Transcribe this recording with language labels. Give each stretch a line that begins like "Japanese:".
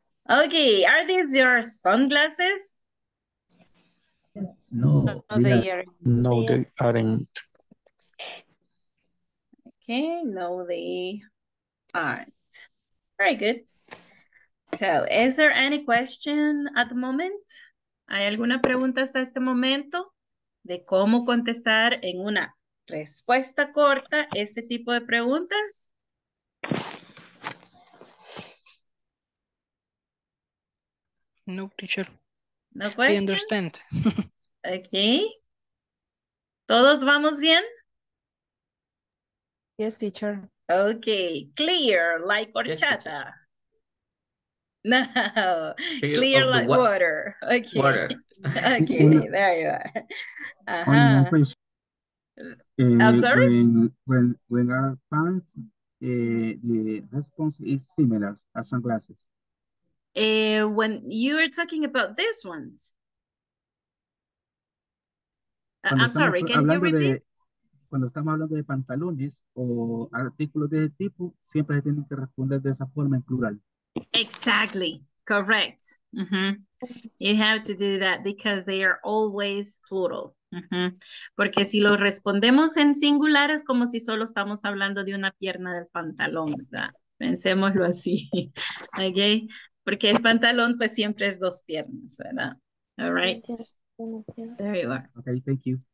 English: Okay, are these your sunglasses? No, they aren't. Okay, no, they aren't. Very good. So, is there any question at the moment?
Spanish: ¿Hay alguna pregunta hasta este momento de cómo contestar en una respuesta corta este tipo de preguntas?
English: No, teacher. No questions? I understand.
Spanish: Okay. ¿Todos vamos bien?
English: Yes, teacher. Okay. Clear like horchata. Yes, no. Clear like water. Okay. Water. Okay. There you are. Uh-huh. I'm sorry? When our parents, the response is similar as sunglasses. When you are talking about these ones, I'm sorry, can you repeat?
Spanish: Cuando estamos hablando de pantalones o artículos de ese tipo, siempre se tienen que responder de esa forma en plural.
English: Exactly, correct. Mm-hmm. You have to do that because they are always plural. Mm-hmm.
Spanish: Porque si lo respondemos en singular, es como si solo estamos hablando de una pierna del pantalón, ¿verdad? Pensémoslo así. Okay. Porque el pantalón, pues, siempre es dos piernas, ¿verdad?
English: All right. There you are. Okay, thank you.